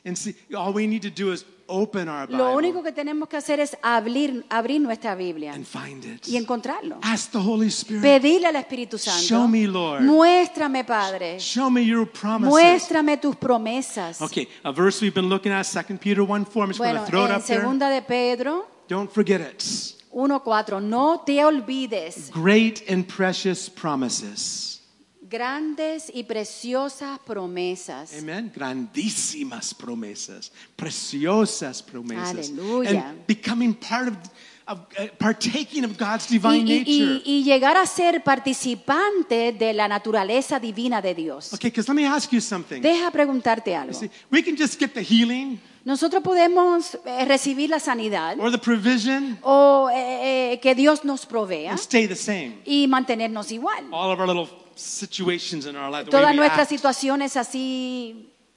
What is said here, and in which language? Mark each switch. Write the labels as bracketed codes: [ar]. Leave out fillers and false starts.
[en] And see, all we need to do is open our Bible. [es] Lo único que tenemos que hacer es abrir nuestra Biblia [en] and find it. [es] Y encontrarlo. [en] Ask the Holy Spirit. [es] Pedirle al Espíritu Santo. [en] Show me, Lord. [es] Muéstrame, Padre. [en] Show me your promises. [es] Muéstrame tus promesas. [en] Okay, a verse we've been looking at, 2 Peter 1:4. [es] Bueno, [en] going to throw it up [es] segunda [en] there. [es] De Pedro. [en] Don't forget it. [es] 1:4 No te olvides. [en] Great and precious promises. [es] Grandes y preciosas promesas. Amen. Grandísimas promesas. Preciosas promesas. Aleluya. [en] And becoming part of partaking of God's divine nature. [es] Y llegar a ser participante de la naturaleza divina de Dios. [en] Okay, because let me ask you something. [es] Deja preguntarte algo. [en] You see, we can just get the healing. [es] Nosotros podemos recibir la sanidad [en] or the provision, [es] o que Dios nos provea [en] and stay the same. [es] Y mantenernos igual. [en] All of our little situations in our life, [es] todas nuestras [en] act, [es] situaciones así